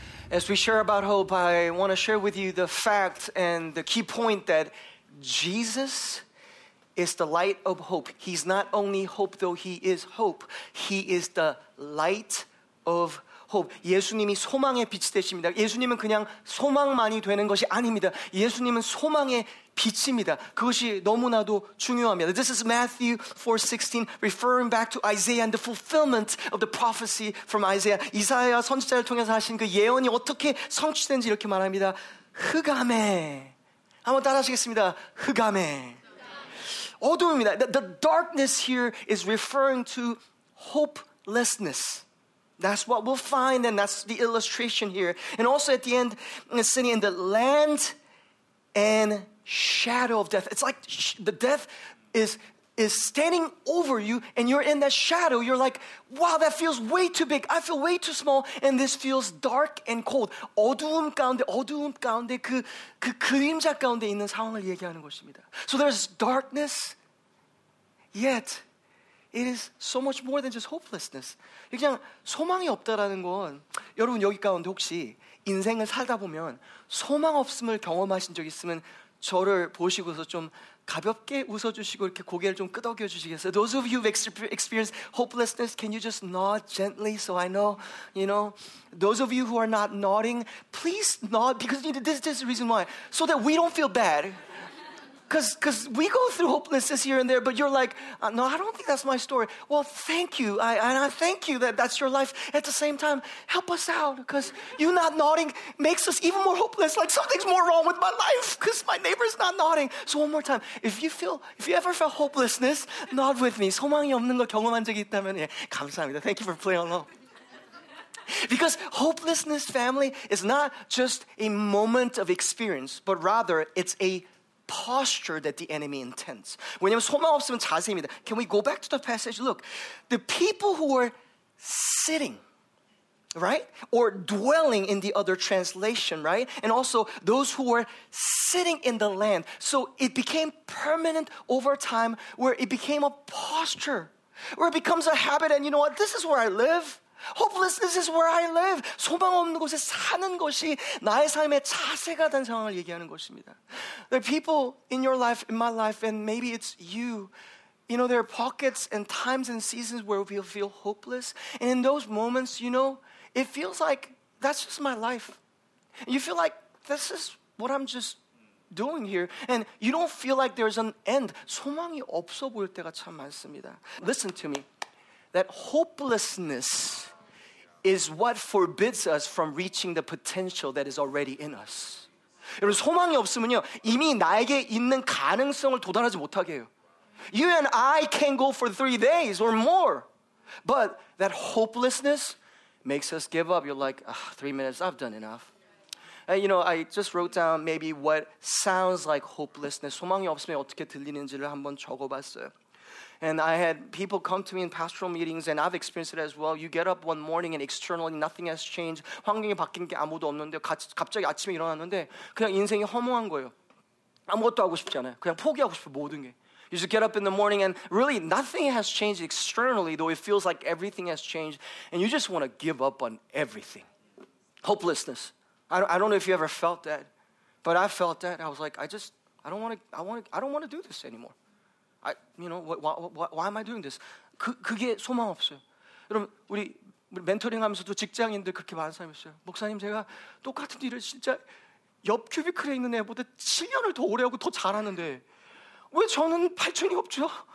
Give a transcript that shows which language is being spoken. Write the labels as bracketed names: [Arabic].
[English] As we share about hope, I want to share with you the fact and the key point that Jesus is the light of hope. He's not only hope, though he is hope. He is the light of hope. [Korean] 예수님이 소망의 빛이 되십니다. 예수님은 그냥 소망만이 되는 것이 아닙니다. 예수님은 소망의 빛입니다. 그것이 너무나도 중요합니다. [English] This is Matthew 4:16 referring back to Isaiah and the fulfillment of the prophecy from Isaiah. [Korean] 이사야 선지자를 통해서 하신 그 예언이 어떻게 성취된지 이렇게 말합니다. 흑암에 한번 따라하시겠습니다. 흑암에 어둠입니다. [English] The darkness here is referring to hopelessness. That's what we'll find, and that's the illustration here. And also at the end, it's sitting in the land and shadow of death. It's like the death is standing over you, and you're in that shadow. You're like, wow, that feels way too big. I feel way too small, and this feels dark and cold. [Korean] 어두움 가운데 그 그림자 가운데 있는 상황을 얘기하는 것입니다. [English] So there's darkness, yet it is so much more than just hopelessness. [Korean] 그냥 소망이 없다라는 건 여러분 여기 가운데 혹시 인생을 살다 보면 소망 없음을 경험하신 적 있으면 저를 보시고서 좀 가볍게 웃어주시고 이렇게 고개를 좀 끄덕여 주시겠어요? [English] Those of you who've experienced hopelessness, can you just nod gently so I know, you know? Those of you who are not nodding, please nod because you know, this is the reason why. So that we don't feel bad. Because we go through hopelessness here and there, but you're like, no, I don't think that's my story. Well, thank you. And I thank you that that's your life. At the same time, help us out. Because you not nodding makes us even more hopeless. Like something's more wrong with my life because my neighbor's not nodding. So one more time. If you ever felt hopelessness, nod with me. [Korean] 소망이 없는 거 경험한 적이 있다면, 예, 감사합니다. [English] Thank you for playing along. Because hopelessness, family, is not just a moment of experience, but rather it's a posture that the enemy intends. [Korean] 왜냐면 소망 없으면 자세입니다. [English] Can we go back to the passage? Look, the people who were sitting, right? Or dwelling in the other translation, right? And also those who were sitting in the land. So it became permanent over time where it became a posture, where it becomes a habit and you know what? This is where I live. Hopelessness is where I live. [Korean] 소망 없는 곳에 사는 것이 나의 삶의 자세가 된 상황을 얘기하는 것입니다. [English] There are people in your life, in my life, and maybe it's you. You know, there are pockets and times and seasons where we feel hopeless. And in those moments, you know, it feels like that's just my life. You feel like this is what I'm just doing here. And you don't feel like there's an end. [Korean] 소망이 없어 보일 때가 참 많습니다. [English] Listen to me. That hopelessness is what forbids us from reaching the potential that is already in us. [Korean] 여러분, 소망이 없으면요, 이미 나에게 있는 가능성을 도달하지 못하게 해요. [English] You and I can go for 3 days or more. But that hopelessness makes us give up. You're like, ah, 3 minutes, I've done enough. And you know, I just wrote down maybe what sounds like hopelessness. [Korean] 소망이 없으면 어떻게 들리는지를 한번 적어봤어요. [English] And I had people come to me in pastoral meetings, and I've experienced it as well. You get up one morning, and externally, nothing has changed. [Korean] 환경이 바뀐 게 아무도 없는데, 갑자기 아침에 일어났는데, 그냥 인생이 허무한 거예요. 아무것도 하고 싶지 않아요. 그냥 포기하고 싶어, 모든 게. [English] You just get up in the morning, and really, nothing has changed externally, though it feels like everything has changed. And you just want to give up on everything. Hopelessness. I don't know if you ever felt that, but I felt that. I was like, I don't want to do this anymore. Why am I doing this? [Korean] 그게 소망 없어요. 여러분 우리 멘토링 하면서도 직장인들 그렇게 많은 사람이 있어요. 목사님 제가 똑같은 일을 진짜 옆 큐비클에 있는 애보다 7년을 더 오래 하고 더 잘하는데 왜 저는 발전이 없죠?